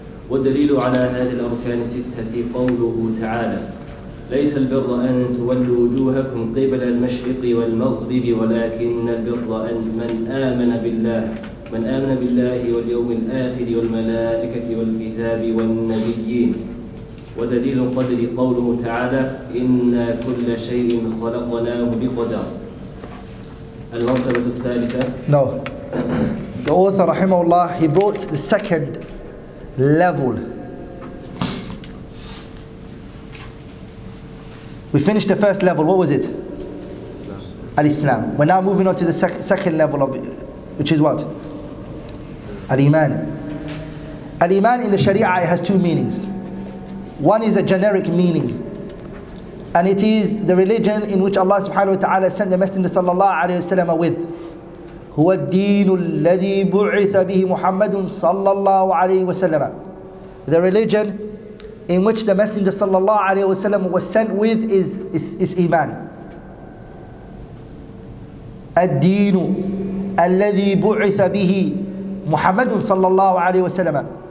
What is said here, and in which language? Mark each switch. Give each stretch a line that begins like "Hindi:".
Arabic: والدليل على هذه الأركان الستة قوله تعالى: ليس البر أن تولوا وجوهكم قبل المشرق والمغرب، ولكن البر أن من آمن بالله، من آمن بالله واليوم الآخر والملائكة والكتاب والنبيين. ودليل القدر قوله تعالى: إنا كل شيء خلقناه بقدر. المرتبة الثالثة.
English: No. The author, rahimahullah, he brought the second level. We finished the first level. What was it? Al-Islam. We're now moving on to the second level of it, which is what? Al-Iman. Al-Iman in the Sharia, it has two meanings. One is a generic meaning, and it is the religion in which Allah subhanahu wa ta'ala sent the Messenger sallallahu alayhi wa sallam with.
Arabic: هو الدين الذي بعث به محمد صلى الله عليه وسلم.
English: The religion in which the Messenger صلى الله عليه وسلم was sent with is إيمان.
Arabic: الدين الذي بعث به محمد صلى الله عليه وسلم.